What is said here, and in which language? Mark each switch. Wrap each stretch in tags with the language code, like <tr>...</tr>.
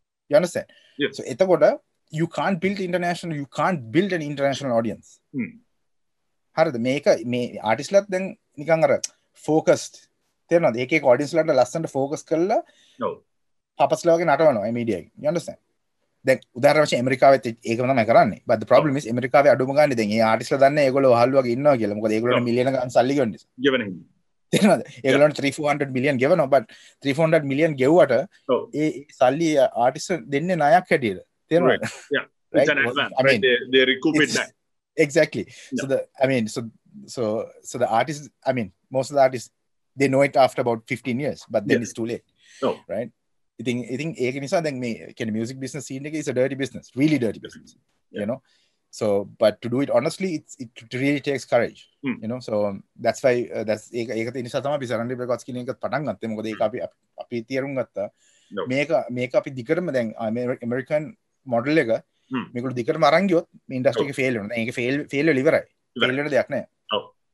<en>you understand so එතකොට you can't build international you can't build an international audience</en> <si>හරිද මේක මේ ආටිස්ට්ලත් දැන් නිකන් අර focused තේරෙනවද එක එක ඔඩියන්ස් ලට ලස්සනට focus කරලා purpose ලවගේ නටවනවා මේ මීඩියා එක you understand දැන් උදාහරණ වශයෙන් ඇමරිකාවෙත් ඒකම තමයි කරන්නේ</si> <en>but the problem is</en> <si>ඇමරිකාවේ අඩුම ගන්නේ දැන් ඒ ආටිස්ට්ලා දන්නේ ඒගොල්ලෝ වහල් වගේ ඉන්නවා කියලා මොකද ඒගොල්ලෝ මිලියන ගාන සල්ලි ගෙවන්නේ ගෙවන්නේ නේද තේරෙනවද ඒගොල්ලෝ 300-400 මිලියන් ගෙවනවා but 300-400 මිලියන් ගෙවුවට ඒ සල්ලි ආටිස්ට් දෙන්නේ ණයක් හැටියට තේරෙනවද</si> <en>yeah I mean they recoup it back exactly so the I mean so the artist I mean most of the artists they know it after about 15 years but then it's too late right</en> <si>ඉතින් ඒක නිසා දැන් මේ කියන්නේ music business scene එක</si> <en>is a dirty business really dirty business you know So, but to do it honestly, it really takes courage. Mm. You know, so that's why that's</en> <si>ඒක නිසා තමයි අපි සරන්ඩි රෙකෝඩ්ස් කියන එකත් පටන් ගත්තේ. මොකද ඒක අපි අපි තීරුම් ගත්තා. මේක අපි දිගටම දැන් American model එක මේකට දිගටම අරන් ගියොත් මේ ඉන්ඩස්ට්‍රි එක ෆේල් වෙනවා. දැන් ඒක ෆේල් වෙලා ඉවරයි. ෆේල් වෙන දෙයක් නෑ. ඔව්.</si>